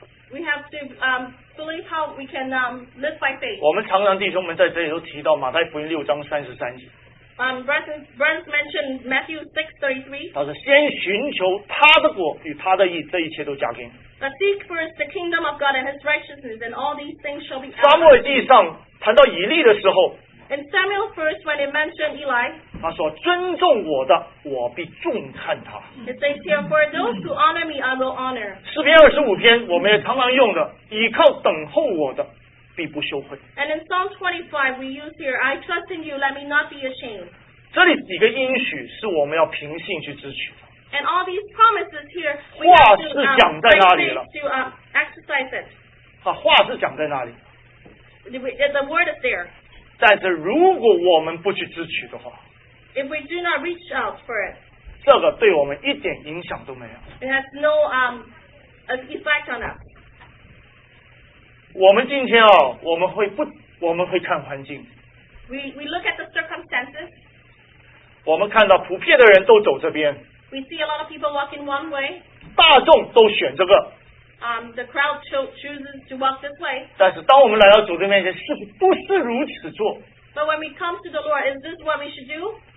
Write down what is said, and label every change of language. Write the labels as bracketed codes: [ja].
[en] We have to believe how we can live by faith [zh] 我们常常弟兄们在这里都提到马太福音六章三十三节 [en] Brent mentioned Matthew 6:33. [zh] 他说：“先寻求他的国与他的义，这一切都加给你。” [en] But seek first the kingdom of God and His righteousness, and all these things shall be added. [zh] 撒母耳记上谈到以利的时候 [en] ，In Samuel first when it mentioned Eli, [zh] 他说：“尊重我的，我必重看他。” [en] It says here, "For those who honor me, I will honor." [zh] 诗篇二十五篇我们也常常用的，倚靠等候我的。必不羞愧。 [en] And in Psalm 25, we use here, "I trust in you; let me not be ashamed." [zh] 这里几个应许是我们要凭信去支取的。 [en] And all these promises here, [zh] 话是讲在那里了。 [en] To exercise it. [zh] 好，话是讲在那里。 [en] The word is there. [zh] 但是如果我们不去支取的话 [en] if we do not reach out for it. [zh] 这个对我们一点影响都没有。 [en] It has no effect on us. [zh] 我们今天哦，我们会看环境。 [en] We look at the circumstances. [zh] 我们看到普遍的人都走这边。 [en] We see a lot of people walking one way. [zh] 大众都选这个。 [en] The crowd chooses to walk this way. [zh] 但是当我们来到主的面前，是不是如此做？ [en] But when we come to the Lord, is this what we should do?